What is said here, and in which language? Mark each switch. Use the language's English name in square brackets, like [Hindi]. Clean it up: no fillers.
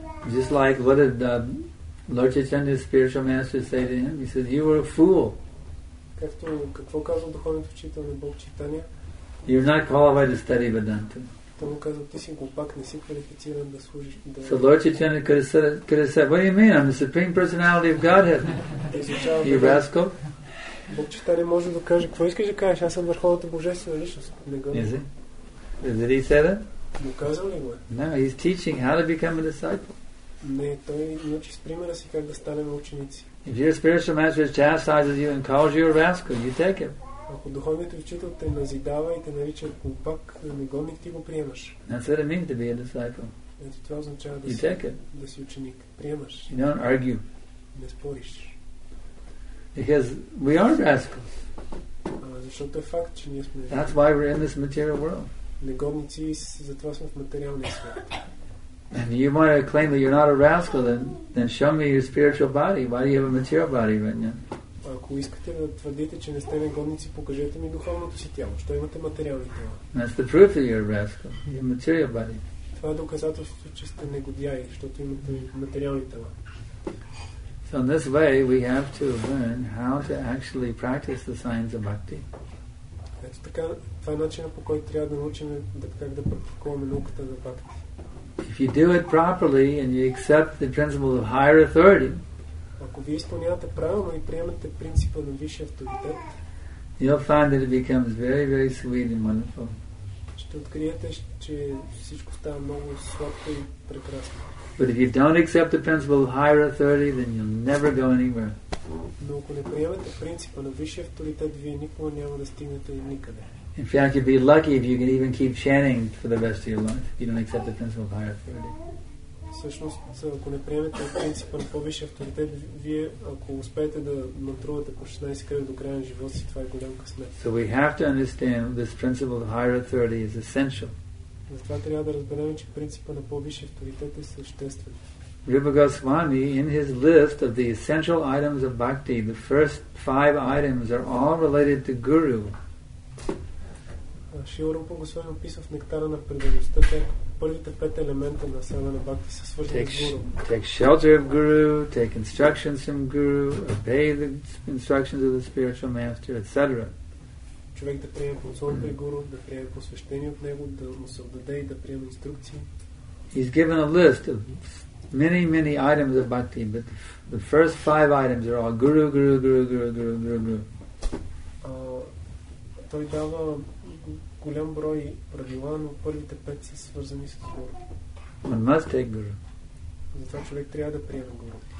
[English] Just like what did Lord Chaitanya's spiritual master say to him? He said, "You were a fool." [Bulgarian] Какво казва духовният учител на Бог Читания? [English] You're not qualified to study Vedanta. So Lord Chaitanya could have said, what do you mean? I'm the Supreme Personality of Godhead. You rascal. [Bulgarian] Бог читане може да каже, какво искаш да кажеш? Аз съм върховната божествена личност. Не го. [English] Is it? Did he say that? [Bulgarian] Но казал ли го? [English] No, he's teaching how to become a disciple. [Bulgarian] Не, той учи с примера си как да станем ученици. [English] If your spiritual master chastises you and calls you a rascal, you take it. [Bulgarian] Ако духовният учител те назидава и те нарича глупак, негодник, ти го приемаш. [English] That's what it means to be a disciple. [Bulgarian] Ето това означава да, [English] you take it. [Bulgarian] Да си ученик. Приемаш. [English] You don't argue. [Bulgarian] Не спориш. [English] Because we are rascals. That's why we're in this material world. And you might claim that you're not a rascal, then show me your spiritual body. Why do you have a material body right now? That's the proof that you're a rascal. You have a material body. So in this way, we have to learn how to actually practice the science of bhakti. [Bulgarian] Това е начинът, по който трябва да научим как да практикуваме науката за бхакти. [English] If you do it properly and you accept the principle of higher authority, [Bulgarian] ако вие изпълнявате правилно и приемате принципа на висшия авторитет, [English] you'll find that it becomes very, very sweet and wonderful. [Bulgarian] Ще откриете, че всичко става много сладко и прекрасно. [English] But if you don't accept the principle of higher authority, then you'll never go anywhere. [Bulgarian] Но ако не приемете принципа на висшия авторитет, вие никога няма да стигнете никъде. [English] In fact, you'd be lucky if you could even keep chanting for the rest of your life if you don't accept the principle of higher authority. [Bulgarian] Всъщност, ако не приемете принципа на по-висшия авторитет, вие ако успеете да мантрувате по 16 кръга до края на живота си, това е голям късмет. [English] So we have to understand this principle of higher authority is essential. [Bulgarian] Затова трябва да разберем, че принципа на по-висшия авторитет е съществен. [English] Rupa Goswami, in his list of the essential items of bhakti, the first five items are all related to guru. [Bulgarian] Шрила Рупа Госвами описва в Нектара на предаността, че първите пет елемента на сада на бхакти са свързани с гуру. [English] Take shelter of guru, take instructions from guru, obey the instructions of the spiritual master, etc. [Bulgarian] Човек да приеме консул при гуру, да приеме посвещение от него, да му се отдаде и да приеме инструкции. [English] He's given a list of many, many items of bhakti, but the first five items are all guru, guru, guru, guru, guru, guru, guru. [Bulgarian] Той дава голям брой правила, но първите пет са свързани с гуру. [English] One must take guru. [Bulgarian] Затова човек трябва да приеме гуру.